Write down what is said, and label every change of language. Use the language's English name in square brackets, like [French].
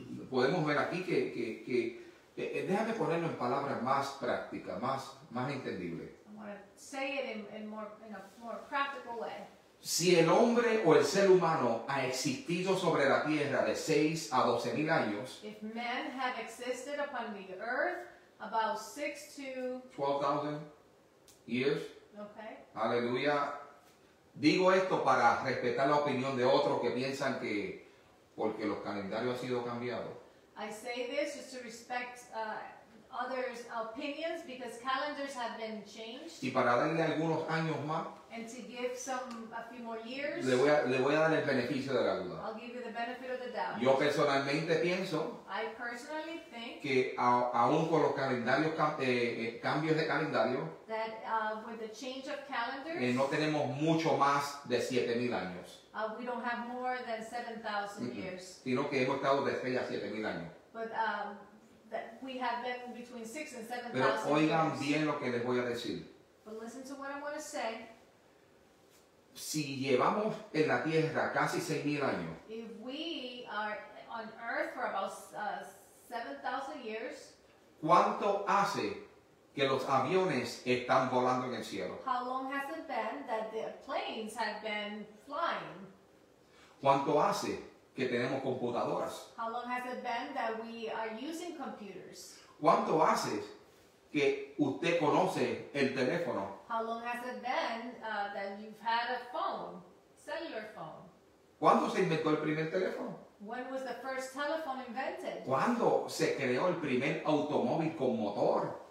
[Spanish] Podemos ver aquí que déjame ponerlo en palabras más prácticas, más entendible. [English] I want to say it in a more practical way. [Spanish] Si el hombre o el ser humano ha existido sobre la tierra de 6 a 12 mil años, [English] if men have existed upon the earth about 6 to 12,000 years, okay. [Spanish] Aleluya. Digo esto para respetar la opinión de otros que piensan que porque los calendarios han sido cambiados. [English] I say this just to respect others' opinions because calendars have been changed. [Spanish] Y para darle algunos años más, [English] and to give some a few more years, [Spanish] le voy a dar el beneficio de la duda. [English] I'll give you the benefit of the doubt. [Spanish] Yo personalmente pienso, [English] I personally think, [Spanish] que aún con los calendarios cambios de calendario, [English] that with the change of calendars, [Spanish] no tenemos mucho más de 7,000 años. [English] We don't have more than 7,000 years. [Spanish] Sino que hemos estado desde ya 7,000 años. [English] But that we have been between 6,000 and 7,000 years. [Spanish] Pero oigan bien lo que les voy a decir. [English] But listen to what I'm going to say. [Spanish] Si llevamos en la Tierra casi 6,000 años. [English] If we are on Earth for about 7,000 years. [Spanish] ¿Cuánto hace que los aviones están volando en el cielo? [English] How long has it been that the planes have been flying? [Spanish] ¿Cuánto hace que tenemos computadoras? [English] How long has it been that we are using computers? [Spanish] ¿Cuánto hace que usted conoce el teléfono? [English] How long has it been that you've had a phone, cellular phone? [Spanish] ¿Cuándo se inventó el primer teléfono? [English] When was the first telephone invented? [Spanish] ¿Cuándo se creó el primer automóvil con motor?